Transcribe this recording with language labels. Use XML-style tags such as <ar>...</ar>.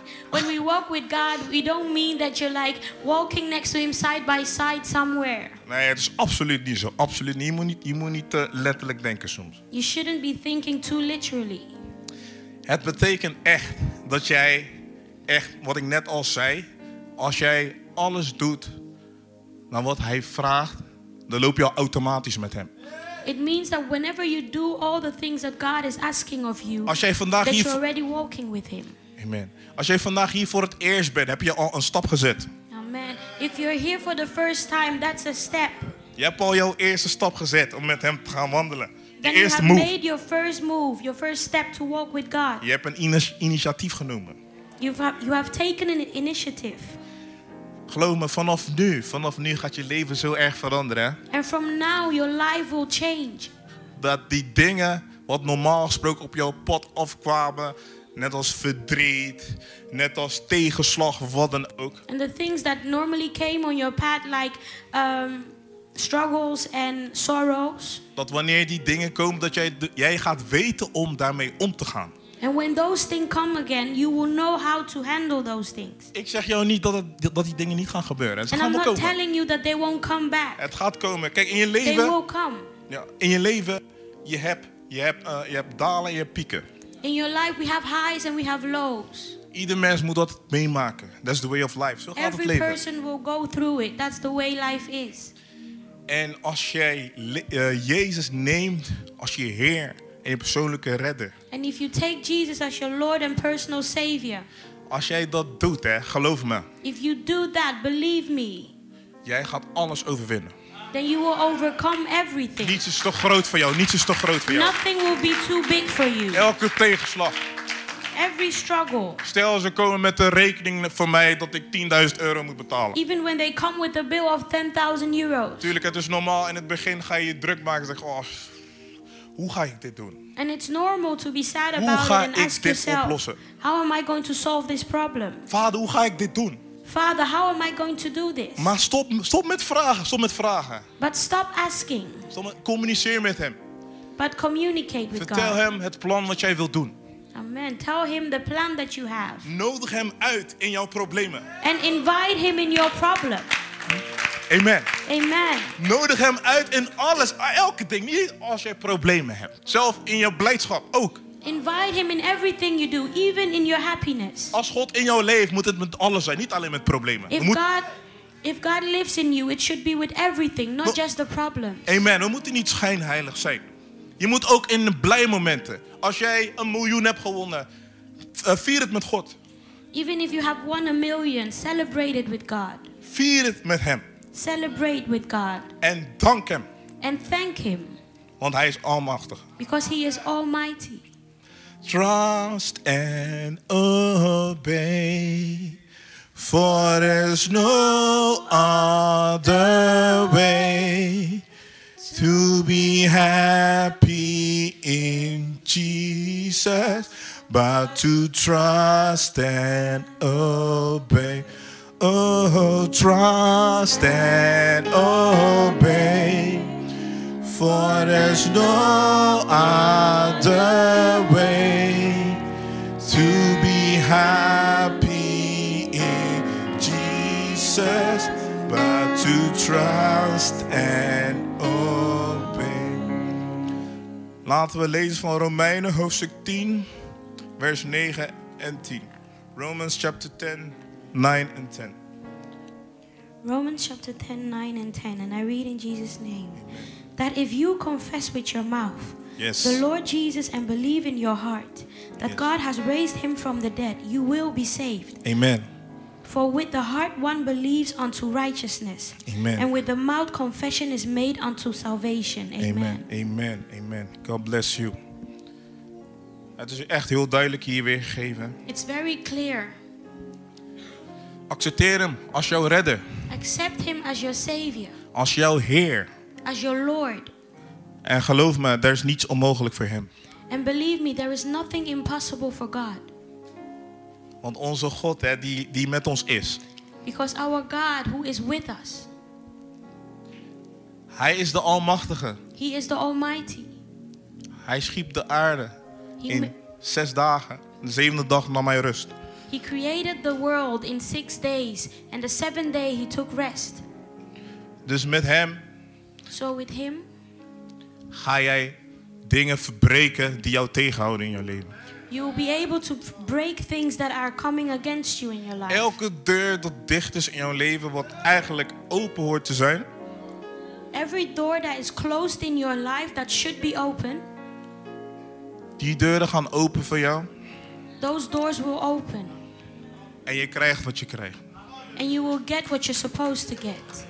<en>When we walk with God, we don't mean that you're like walking next to him side by side somewhere.</en> <nl>Nee, het is absoluut niet zo. Absoluut niet. Je moet niet te letterlijk denken soms.</nl> <en>You shouldn't be thinking too literally.</en> <nl>Het betekent echt dat jij echt, wat ik net al zei, als jij alles doet naar wat hij vraagt, dan loop je al automatisch met hem.</nl> <en>It means that whenever you do all the things that God is asking of you,</en> <nl>als jij vandaag</nl> <en>that you're already walking with him. Amen.</en> <nl>Als jij vandaag hier voor het eerst bent, heb je al een stap gezet. Amen.</nl> <en>If you're here for the first time, that's a step.</en> <nl>Je hebt al jouw eerste stap gezet om met hem te gaan wandelen.</nl> <en>Then</en> <nl>de eerste</nl> <en>you have move. Made your first move, your first step to walk with God.</en> <nl>Je hebt een initiatief genomen.</nl> <en>You have taken an initiative.</en> <nl>Geloof me, vanaf nu gaat je leven zo erg veranderen.</nl> <en>And from now your life will change.</en> <nl>Dat die dingen wat normaal gesproken op jouw pad afkwamen, net als verdriet, net als tegenslag, wat dan ook.</nl> <en>And the things that normally came on your path, like struggles and sorrows.</en> <nl>Dat wanneer die dingen komen, dat jij gaat weten om daarmee om te gaan.</nl> <en>And when those things come again, you will know how to handle those things.</en> <nl>Ik zeg jou niet dat die dingen niet gaan gebeuren.</nl> <en>And I'm not telling you that they won't come back.</en> <nl>Het gaat komen. Kijk, in je leven.</nl> <en>They will come.</en> <nl>Ja, in je leven, je hebt dalen, je hebt pieken.</nl> <en>In your life, we have highs and we have lows.</en> <nl>Ieder mens moet dat meemaken.</nl> <en>That's the way of life.</en> <nl>Zo gaat</nl> <en>Every</en> <nl>het leven.</nl> <en>Every person will go through it. That's the way life is.</en> <nl>En als jij Jezus neemt als je Heer en je persoonlijke redder.</nl> <en>And if you take Jesus as your Lord and personal Savior.</en> <nl>Als jij dat doet, hè, geloof me.</nl> <en>If you do that, believe me.</en> <nl>Jij gaat alles overwinnen.</nl> <en>Then you will overcome everything.</en> <nl>Niets is te groot voor jou. Niets is te groot voor jou.</nl> <en>Nothing will be too big for you.</en> <nl>Elke tegenslag.</nl> <en>Every struggle.</en> <nl>Stel ze komen met de rekening voor mij dat ik 10.000 euro moet betalen.</nl> <en>Even when they come with a bill of 10.000 euros.</en> <nl>Tuurlijk, het is normaal. In het begin ga je druk maken. Zeg, oh, hoe ga ik dit doen?</nl> <en>And it's normal to be sad about</en> <nl>hoe ga</nl> <en>it and</en> <nl>ik</nl> <en>ask</en> <nl>dit</nl> <en>yourself,</en> <nl>oplossen?</nl> <en>How am I going to solve this problem?</en> <nl>Vader, hoe ga ik dit doen?</nl> <en>Father, how am I going to do this?</en> <nl>Maar stop met vragen. Stop met vragen.</nl> <en>But stop asking.</en> <nl>Communiceer met hem.</nl> <en>But communicate with God.</en> <nl>Vertel hem het plan wat jij wilt doen. Amen.</nl> <en>Tell him the plan that you have.</en> <nl>Nodig hem uit in jouw problemen.</nl> <en>And invite him in your problem. Amen. Amen.</en> <nl>Nodig hem uit in alles, elke ding. Niet als jij problemen hebt. Zelf in jouw blijdschap ook.</nl> <en>Invite him in everything you do, even in your happiness.</en> <nl>Als God in jouw leven moet het met alles zijn, niet alleen met problemen.</nl> <en>If God lives in you, it should be with everything, not just the problems. Amen.</en> <nl>We moeten niet schijnheilig zijn. Je moet ook in blij momenten. Als jij 1 miljoen hebt gewonnen, vier het met God.</nl> <en>Even if you have won 1 million, celebrate it with God.</en> <nl>Vier het met hem.</nl> <en>Celebrate with God.</en> <nl>En dank hem.</nl> <en>And thank him.</en> <nl>Want hij is almachtig.</nl> <en>Because he is almighty. Trust and obey, for there's no other way to be happy in Jesus but to trust and obey. Oh, trust and obey, for there's no other way to be happy in Jesus but to trust and obey.</en> <nl>Laten we lezen van Romeinen hoofdstuk 10, vers 9 en 10.</nl> <en>Romans chapter 10, 9 and 10. Romans chapter 10, 9 and 10. And I read in Jesus' name. that if you confess with your mouth, yes, the Lord Jesus, and believe in your heart that, yes, God has raised him from the dead, you will be saved. Amen. For with the heart one believes unto righteousness. Amen. And with the mouth confession is made unto salvation. Amen. Amen. Amen. Amen. God bless you.</en> <nl>Het is echt heel duidelijk hier weergegeven.</nl> <en>It's very clear.</en> <nl>Accepteer hem als jouw redder.</nl> <en>Accept him as your savior.</en> <nl>Als jouw Heer.</nl> <en>As your Lord.</en> <nl>En geloof me, er is niets onmogelijk voor hem.</nl> <en>And believe me, there is nothing impossible for God.</en> <nl>Want onze God, hè, die met ons is.</nl> <en>Because our God who is with us.</en> <nl>Hij is de Almachtige.</nl> <en>He is the Almighty.</en> <nl>Hij schiep de aarde in 6 dagen. De 7e dag nam hij rust.</nl> <en>He created the world in 6 days and the 7th day he took rest.</en> <nl>Dus met hem.</nl> <en>So with him.</en> <nl>Ga jij dingen verbreken die jou tegenhouden in jouw leven?</nl> <en>You will be able to break things that are coming against you in your life.</en> <nl>Elke deur dat dicht is in jouw leven wat eigenlijk open hoort te zijn.</nl> <en>Every door that is closed in your life that should be open.</en> <nl>Die deuren gaan open voor jou.</nl> <en>Those doors will open.</en> <nl>En je krijgt wat je krijgt.</nl> <en>And you will get what you're supposed to get.</en>